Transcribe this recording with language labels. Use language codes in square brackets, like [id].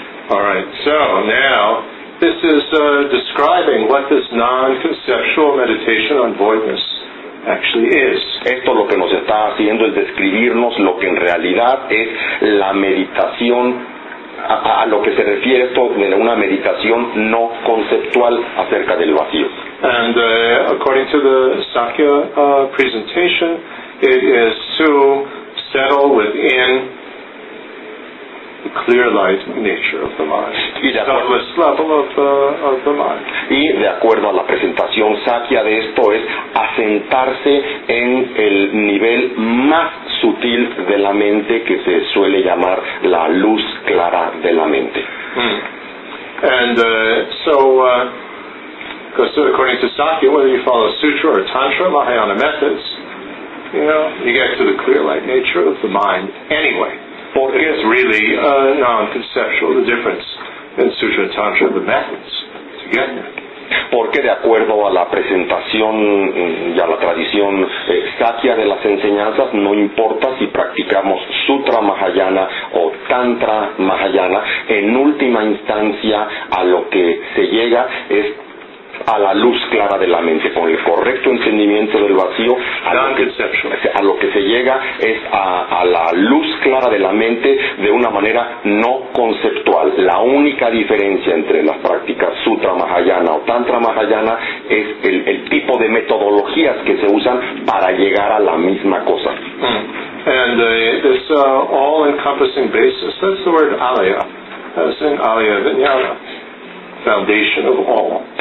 [en] All right, so now, this is describing what this non-conceptual meditation on voidness actually is. [es] Esto lo que nos está haciendo es describirnos lo que en realidad es la meditación, a lo que se refiere esto de una meditación no conceptual acerca del vacío. [en] And according to the Sakya presentation, it is to settle within the clear light nature of the mind. Selfless level of the mind. [es] Y de acuerdo a la presentación sakya de esto es asentarse en el nivel más sutil de la mente que se suele llamar la luz clara de la mente. [en] And so according to sakya, whether you follow sutra or tantra, Mahayana methods, you get to the clear light nature of the mind anyway. [es] Porque [en] es really non-conceptual the difference in sutra and tantra, the methods to get there. [es] Porque de acuerdo a la presentación y a la tradición sakya de las enseñanzas, no importa si practicamos sutra mahayana o tantra mahayana, en última instancia a lo que se llega es a la luz clara de la mente, con el correcto entendimiento del vacío, a lo que se llega es a la luz clara de la mente de una manera no conceptual. La única diferencia entre las prácticas sutra mahayana o tantra mahayana es el tipo de metodologías que se usan para llegar a la misma cosa. [en] And this all encompassing basis, that's the word alaya, as in alaya vijnana, foundation of all.